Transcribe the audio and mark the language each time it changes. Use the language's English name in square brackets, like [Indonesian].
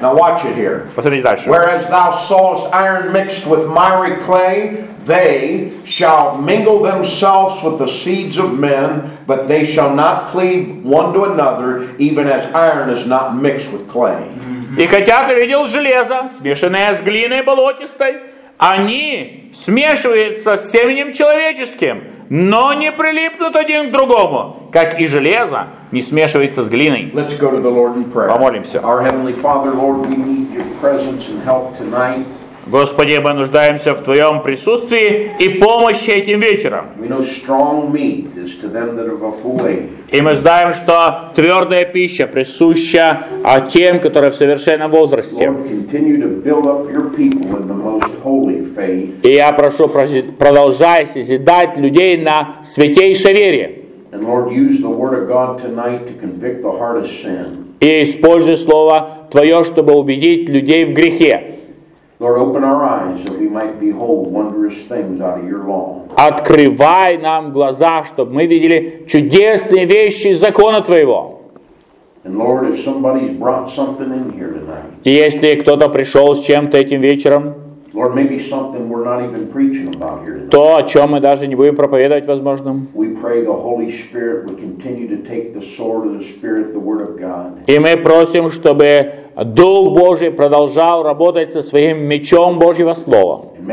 [English] Now watch it here. [Russian] Посмотрите дальше. [English] Whereas thou sawest iron mixed with miry clay, they shall mingle themselves with the seeds of men, but they shall not cleave one to another, even as iron is not mixed with clay. [Russian] И хотя ты видел железо, смешанное с глиной болотистой, они смешиваются с семенем человеческим, но не прилипнут один к другому, как и железо не смешивается с глиной. [English] Let's go to the Lord in prayer. [Russian] Помолимся. [English] Our Heavenly Father, Lord, we need your presence and help tonight. [Russian] Господи, мы нуждаемся в Твоем присутствии и помощи этим вечером. [English] We know strong meat is to them that are of a full age. [Russian] И мы знаем, что твердая пища присуща тем, которые в совершенном возрасте. [English] Lord, continue to build up your people in the most holy faith. [Russian] И я прошу, продолжай созидать людей на святейшей вере. [English] And Lord, use the word of God tonight to convict the heart of sin. [Russian] И используй слово Твое, чтобы убедить людей в грехе. [English] Lord, open our eyes that we might behold wondrous things out of your law. [Russian] Открывай нам глаза, чтобы мы видели чудесные вещи из закона твоего. [English] And Lord, if somebody's brought something in here tonight. [Russian] И если кто-то пришел с чем-то этим вечером. [English] Lord, maybe something we're not even preaching about here tonight. [Russian] То, о чем мы даже не будем проповедовать, возможно. [English] We pray the Holy Spirit would continue to take the sword of the Spirit, the Word of God. [Russian] И мы просим, чтобы Дух Божий продолжал работать со своим мечом Божьего Слова.